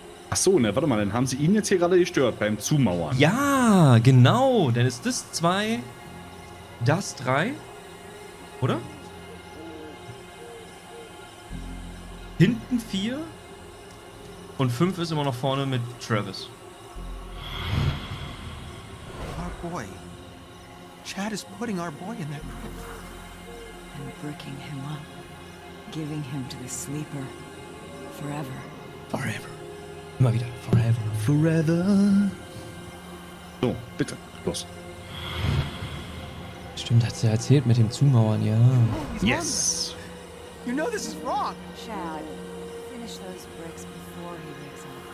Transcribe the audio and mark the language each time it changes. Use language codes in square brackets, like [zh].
[de] Ach so, ne, warte mal. Dann haben sie ihn jetzt hier gerade gestört beim Zumauern. Ja, genau. Dann ist das 2, das 3, oder? Hinten 4 und 5 ist immer noch vorne mit Travis. [en] Boy. Chad is putting our boy in that crib. and bricking him up, giving him to the sleeper forever. Forever. [de] Immer wieder. [en] Forever. [de] Forever. So, bitte, los. Stimmt, hat sie erzählt mit dem Zumauern, ja. [en] Yes. You know this is wrong. Chad, finish those bricks before he wakes up.